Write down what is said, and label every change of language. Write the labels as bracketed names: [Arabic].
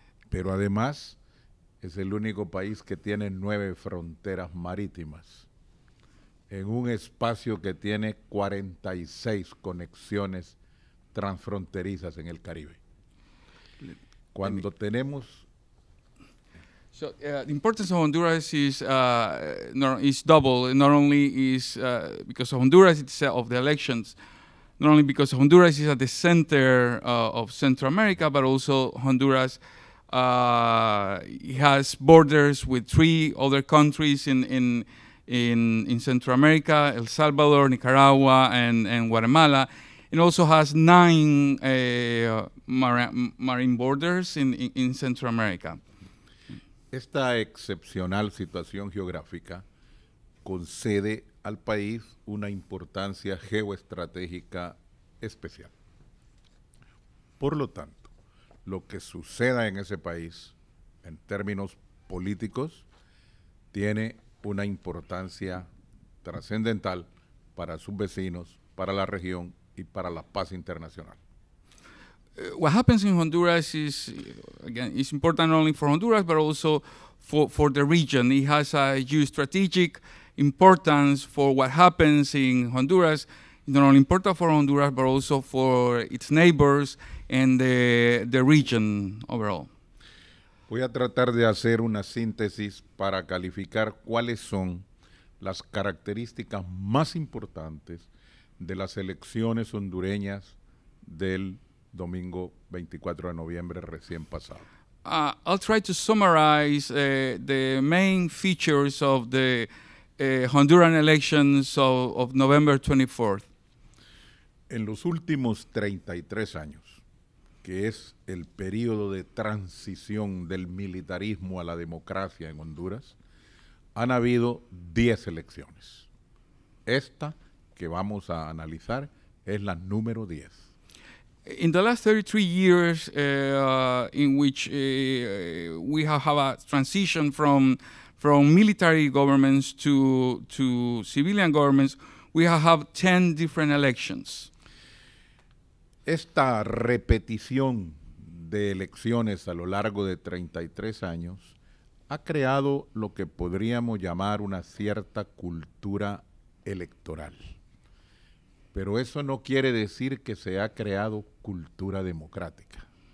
[Spanish] Pero además es el único país que tiene nueve fronteras marítimas en un espacio que tiene 46 conexiones transfronterizas en el Caribe. Cuando tenemos... [English] So the importance of Honduras is double, not only is because of Honduras itself, of the elections, not only because Honduras is at the center of Central America, but also Honduras He has borders with three other countries in Central America, El Salvador, Nicaragua, and Guatemala. It also has nine marine borders in Central America. [Spanish] Esta excepcional situación geográfica concede al país una importancia geoestratégica especial. Por lo tanto, lo que suceda en ese país, en términos políticos, tiene una importancia trascendental para sus vecinos, para la región y para la paz internacional. [English] What happens in Honduras is, again, it's important not only for Honduras, but also for the region. It has a huge strategic importance for what happens in Honduras, not only important for Honduras, but also for its neighbors and the region overall. [Spanish] Voy a tratar de hacer una síntesis para calificar cuáles son las características más importantes de las elecciones hondureñas del domingo 24 de noviembre recién pasado. [English] I'll try to summarize the main features of the Honduran elections of November 24th. [Spanish] En los últimos 33 años, que es el periodo de transición del militarismo a la democracia en Honduras, han habido 10 elecciones. Esta que vamos a analizar es la número 10. [English] In the last 33 years in which we have a transition from military governments to civilian governments, we have 10 different elections. [Spanish] Esta repetición de elecciones a lo largo de 33 años ha creado lo que podríamos llamar una cierta cultura electoral. Pero eso no quiere decir que se ha creado cultura democrática.